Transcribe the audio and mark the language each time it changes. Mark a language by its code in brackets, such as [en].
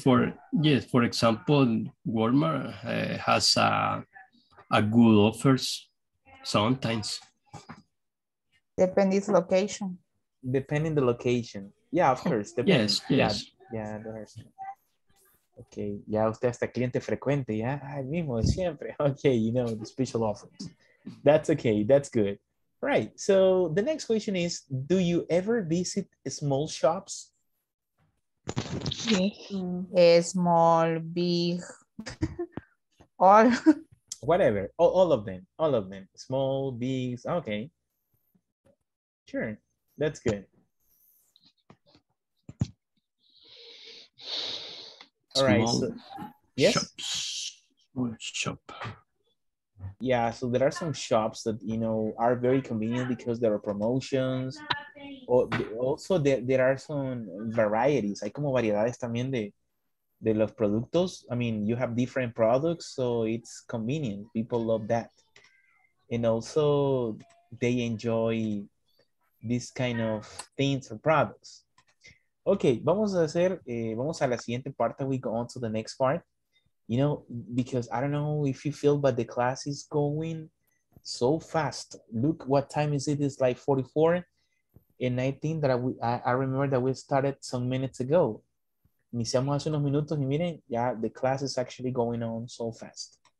[en] For yes, for example, Walmart has a good offers sometimes. Depending location. Depending the location. Yeah, of course. Depending. Yes, yes. [es] Yeah, okay, ya usted hasta cliente frecuente, ya. Ay, mismo, siempre. [en] Okay, you know, the special offers. That's okay, that's good. Right, so the next question is, do you ever visit small shops? Small, big, all. Whatever, all of them. Small, big, okay. Sure, that's good. All right. So, yes. Shop. Yeah. So there are some shops that you know are very convenient because there are promotions. Also, there are some varieties. [es] Hay como variedades también de los productos. [en] I mean, you have different products, so it's convenient. People love that, and also they enjoy this kind of things or products. [es] Okay, vamos a hacer, vamos a la siguiente parte. [en] We go on to the next part. You know, because I don't know if you feel, but the class is going so fast. Look, what time is it? It's like 44. And I think that I remember that we started some minutes ago. [es] Iniciamos hace unos minutos y miren, [en] yeah, the class is actually going on so fast.